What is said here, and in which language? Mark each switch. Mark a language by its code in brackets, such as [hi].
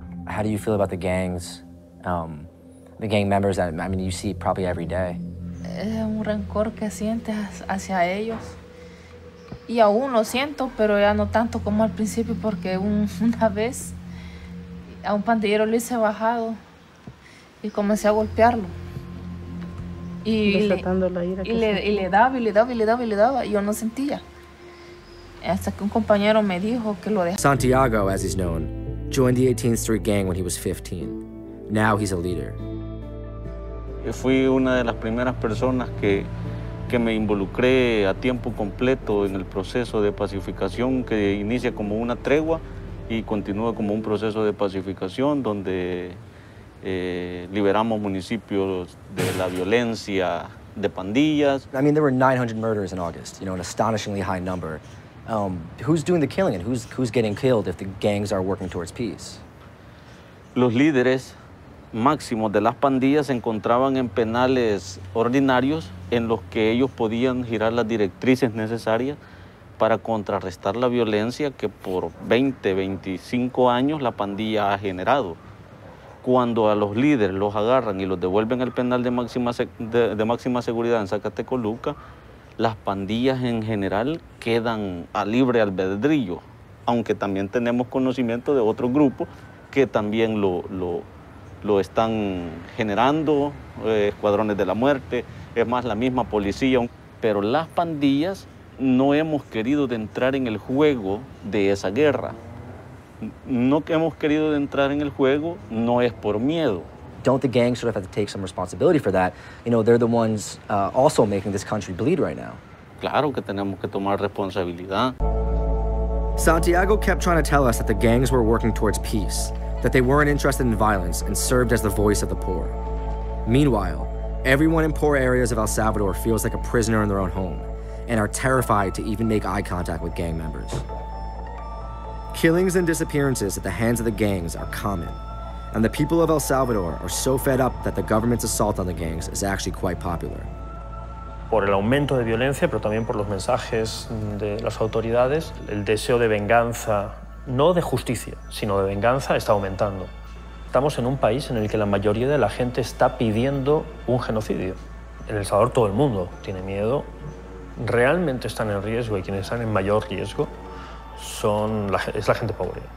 [en] How do you feel about the gangs, the gang members that, I mean, you see probably every day? [es] Es un rencor que sientes hacia ellos. Y aún lo siento, pero ya no tanto como al principio, porque una vez a un pandillero lo hice bajado y comencé a golpearlo. Y desatando la ira. Y le daba. Y yo no sentía. Hasta que un compañero me dijo que lo dejara. [en] Santiago, as he's known, joined the 18th Street Gang when he was 15. Now he's a leader. [es] Yo fui una de las primeras personas que me involucré a tiempo completo en el proceso de pacificación que inicia como una tregua y continúa como un proceso de pacificación donde liberamos municipios de la violencia de pandillas. [en] I mean, there were 900 murders in August, you know, an astonishingly high number. Who's doing the killing and who's getting killed if the gangs are working towards peace? [es] Los líderes máximos de las pandillas se encontraban en penales ordinarios en los que ellos podían girar las directrices necesarias para contrarrestar la violencia que por 20, 25 años la pandilla ha generado. Cuando a los líderes los agarran y los devuelven al penal de máxima seguridad en Zacatecoluca, las pandillas en general quedan a libre albedrío, aunque también tenemos conocimiento de otros grupos que también lo están generando, escuadrones de la muerte, es más, la misma policía. Pero las pandillas no hemos querido de entrar en el juego de esa guerra. No que hemos querido de entrar en el juego, no es por miedo. [en] Don't the gangs sort of have to take some responsibility for that? You know, they're the ones also making this country bleed right now. [es] Claro que tenemos que tomar responsabilidad. [en] Santiago kept trying to tell us that the gangs were working towards peace, that they weren't interested in violence and served as the voice of the poor. Meanwhile, everyone in poor areas of El Salvador feels like a prisoner in their own home and are terrified to even make eye contact with gang members. Killings and disappearances at the hands of the gangs are common. And the people of El Salvador are so fed up that the government's assault on the gangs is actually quite popular. [es] Por el aumento de violencia, pero también por los mensajes de las autoridades, el deseo de venganza, no de justicia, sino de venganza, está aumentando. Estamos en un país en el que la mayoría de la gente está pidiendo un genocidio. En El Salvador todo el mundo tiene miedo. Realmente están en riesgo y quienes están en mayor riesgo es la gente pobre.